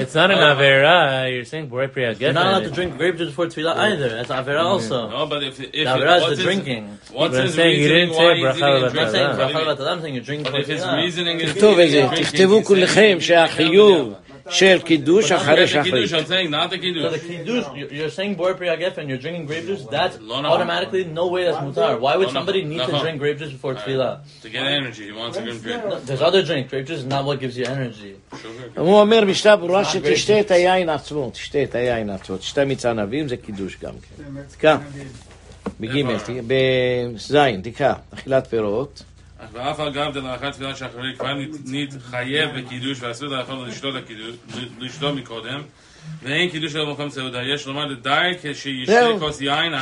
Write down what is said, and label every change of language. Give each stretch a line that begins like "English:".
English: It's not an עבירה, you're saying
Hebrew: בורא פרי הגפן.
English: You're not allowed to drink grape juice for תפילה either, that's עבירה also. No, but if... The עבירה is the drinking. What's his reasoning? Why is he saying
Hebrew: ברכה לבטלה?
English: I'm saying you drink for תפילה. But if his reasoning is...
Hebrew: תכתוב את זה, תכתבו כולכם שהחיוב של קידוש אחרי שחרית.
English: I'm saying not the kiddush. So the kiddush, you're saying
Hebrew: בורא פרי הגפן,
English: you're drinking grape juice, that's automatically no way that's mutar. Why would somebody need to drink grape juice before tefillah? To get energy, you want to drink grape juice. There's other drink, grape juice is not what gives you energy.
Hebrew: הוא אומר משנה ברורה שתשתה את היין עצמו, תשתה את היין עצמו, תשתה מיץ ענבים זה קידוש גם כן. תקרא, בגימל, בזין, תקרא, אכילת פירות. ואף אגב דלאחר תפילת שחרית כבר נית חייב בקידוש ואסור לאכול לשתות לשתות מקודם ואין קידוש של מקום סעודה יש לומר די כשישתה כוס יין